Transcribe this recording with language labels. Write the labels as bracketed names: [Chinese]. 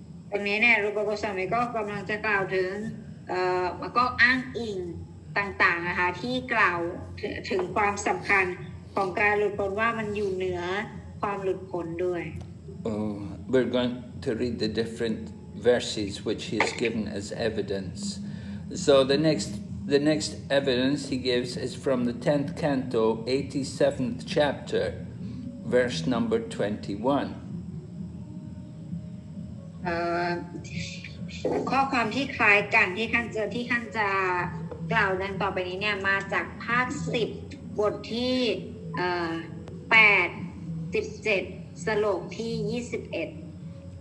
[Thai] ตรงนี้เนี่ยรูปกสัมก็กำลังจะกล่าวถึงมันก็อ้างอิงต่างๆนะคะที่กล่าวถึงความสำคัญของการหลุดพ้นว่ามันอยู่เหนือความหลุดพ้นด้วย [English] We're going to read the different verses which he has given as evidence. So the next evidence he gives is from the 10th canto, 87th chapter, verse number 21. [Thai] ข้อความที่คล้ายกันที่ท่านเจอที่ท่านจะกล่าวดังต่อไปนี้เนี่ยมาจากภาค10บทที่8 17สโลกที่21